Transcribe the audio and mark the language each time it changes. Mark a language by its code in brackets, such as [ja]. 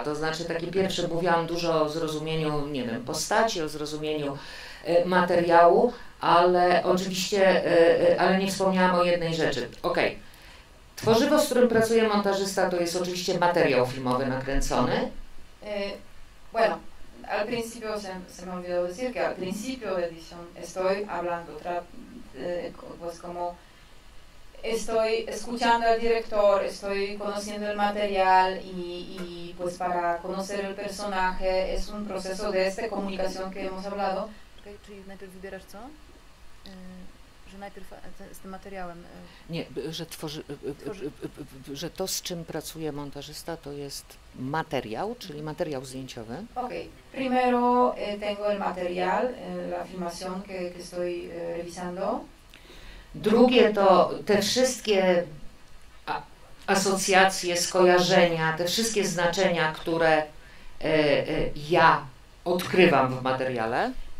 [pl] To znaczy, takie pierwsze mówiłam dużo o zrozumieniu, nie wiem, postaci, o zrozumieniu materiału, ale oczywiście, ale nie wspomniałam o jednej rzeczy. Okej. Tworzywo, z którym pracuje montażysta, to jest oczywiście materiał filmowy nakręcony. [es] Bueno. Al principio se me olvidó decir que al principio de edición estoy hablando, pues como estoy escuchando al director, estoy conociendo el material y pues para conocer el personaje es un proceso de esta comunicación que hemos hablado. [pl] Okay, czyli najpierw wybierasz co? Że najpierw z tym materiałem... Nie, że tworzy... że to, z czym pracuje montażysta, to jest materiał, czyli materiał zdjęciowy. Okej. Okay. [es] Primero tengo el material, la filmación que estoy revisando. [pl] Drugie to te wszystkie asocjacje, skojarzenia, te wszystkie znaczenia, które ja odkrywam w materiale.